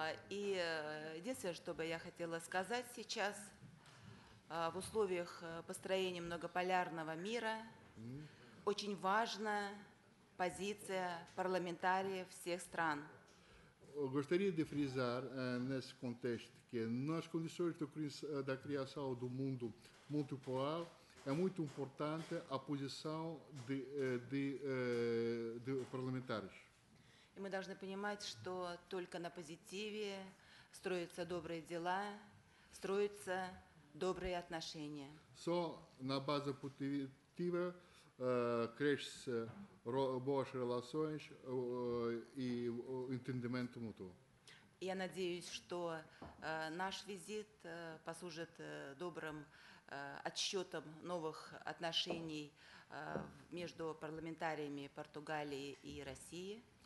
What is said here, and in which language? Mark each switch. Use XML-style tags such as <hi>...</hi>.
<ru>И единственное, что бы я хотела сказать сейчас, в условиях построения многополярного мира очень важна позиция парламентариев всех стран.</ru> <pt>Gostaria de frisar nesse contexto que nas condições da criação do mundo multipolar é muito importante a posição de parlamentares.</pt> <ru>E мы должны понимать, что только на позитиве строятся добрые дела, строятся добрые отношения.</ru> <pt>Só na base positiva cresce boas relações e entendimento mútuo.</pt> <ru>Я надеюсь, что наш визит послужит добрым отсчетом новых отношений между парламентариями Португалии и России.</ru>